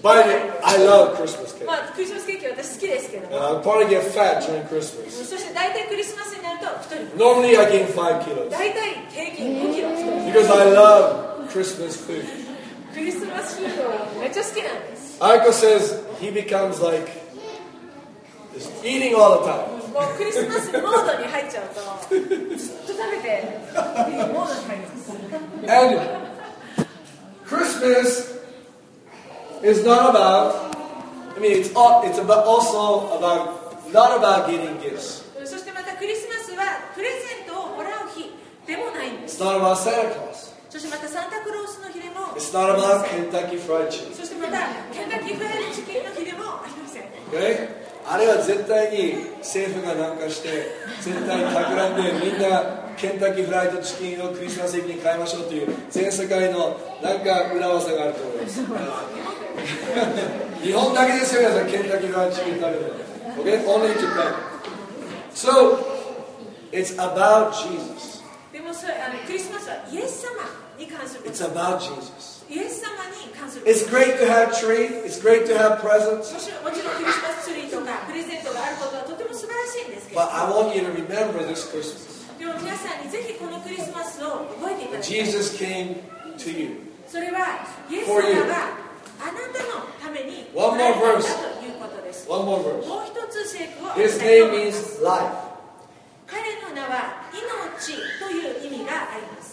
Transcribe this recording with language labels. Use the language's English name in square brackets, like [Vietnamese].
[English] By the way, I love Christmas cake. [Japanese] まあクリスマスケーキは私好きですけど。 [English] I'll probably get fat during Christmas. [Japanese] そして大体クリスマスになると太る。 [English] Normally I gain 5 kilos. [Japanese] 大体平均5キロ太る。 [English] Because I love Christmas food. [Japanese] クリスマスフードはめっちゃ好きなんです。 [English] Aiko says he becomes like just eating all the time. [Japanese] もうクリスマスモードに入っちゃうとずっと食べてモードに入ります。 [English] Anyway. Christmas is not about, I mean, it's about also about, not about getting gifts. [Japanese] そしてまたクリスマスはプレゼントをもらう日でもないんです。 [English] It's not about Santa Claus. [Japanese] そしてまたサンタクロースの日でも。 [English] It's not about Kentucky Fried Chicken. [Japanese] そしてまたケンタッキーフライドチキンの日でもありません。 [English] Okay? [Japanese] あれは絶対に政府がなんかして絶対に企んでみんなケンタッキーフライドチキンをクリスマスイブに変えましょうという全世界のなんか裏技があると思います。日本だけですよ皆さん、ケンタッキーフライドチキン食べるの。 [English] OK? Only in Japan. So it's about Jesus. [Japanese] でもそれあのクリスマスはイエス様に関する。 [English] It's about Jesus [Japanese] イエス様に関する。 [English] It's great to have tree. It's great to have presents. [Japanese] もちろんクリスマスツリーとかプレゼントがあることはとても素晴らしいんですけど。 [English] But I want you to remember this Christmas. [Japanese] でも皆さんにぜひこのクリスマスを覚えていただきたい。 [English] Jesus came to you. [Japanese] それはイエス様があなたのために [English] One more verse. [Japanese] ということです。 [English] One more verse. [Japanese] もう一つ聖句を。 [English] His name means life. [Japanese] 彼の名は命という意味があります。